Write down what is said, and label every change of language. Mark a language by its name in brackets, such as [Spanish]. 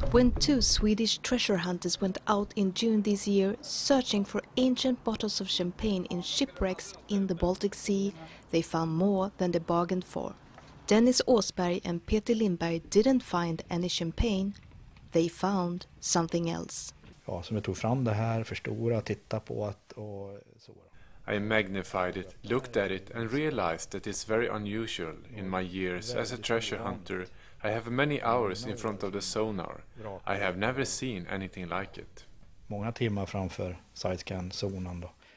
[English] When two Swedish treasure hunters went out in June this year searching for ancient bottles of champagne in shipwrecks in the Baltic Sea, they found more than they bargained for. Dennis Åsberg and Peter Lindberg didn't find any champagne. They found something else. [Swedish] Ja, som jag tog fram det här, förstora, titta på att och så. [English] I magnified it, looked at it and realized that it's very unusual in my years as a treasure hunter. I have many hours in front of the sonar. I have never seen anything like it. [Swedish] Många timmar framför sidescan sonan då.